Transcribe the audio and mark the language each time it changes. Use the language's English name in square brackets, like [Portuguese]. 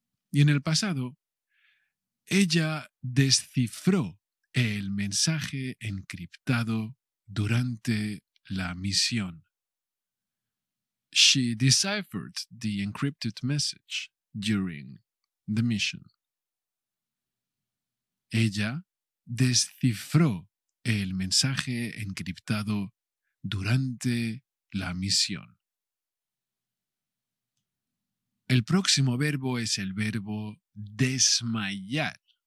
[Spanish] Y en el pasado, ella descifró el mensaje encriptado durante la misión. [English] She deciphered the encrypted message during the mission. [Spanish] Ella descifró el mensaje encriptado durante la misión. El próximo verbo es el verbo desmayar.